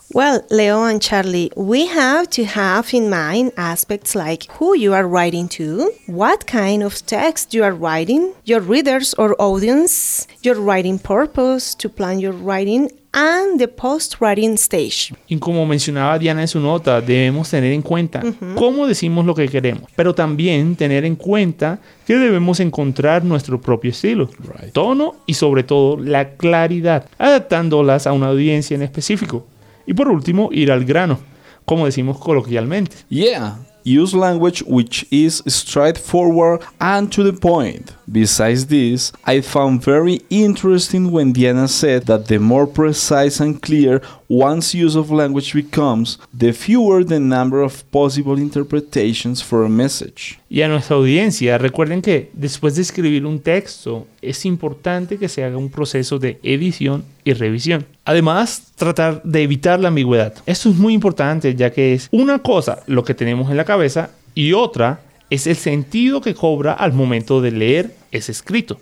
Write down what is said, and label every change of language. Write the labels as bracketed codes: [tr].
[en] Well, Leo and Charlie, we have to have in mind aspects like who you are writing to, what kind of text you are writing, your readers or audience, your writing purpose to plan your writing, and the post-writing stage. [es] Y como mencionaba Diana en su nota, debemos tener en cuenta cómo decimos lo que queremos, pero también tener en cuenta que debemos encontrar nuestro propio estilo, tono y sobre todo la claridad, adaptándolas a una audiencia en específico. Y por último, ir al grano, como decimos coloquialmente. [en] Yeah, use language which is straightforward and to the point. Besides this, I found very interesting when Diana said that the more precise and clear one's use of language becomes, the fewer the number of possible interpretations for a message. [es] Y a nuestra audiencia, recuerden que después de escribir un texto, es importante que se haga un proceso de edición y revisión. Además, tratar de evitar la ambigüedad. Esto es muy importante, ya que es una cosa lo que tenemos en la cabeza y otra es el sentido que cobra al momento de leer ese escrito.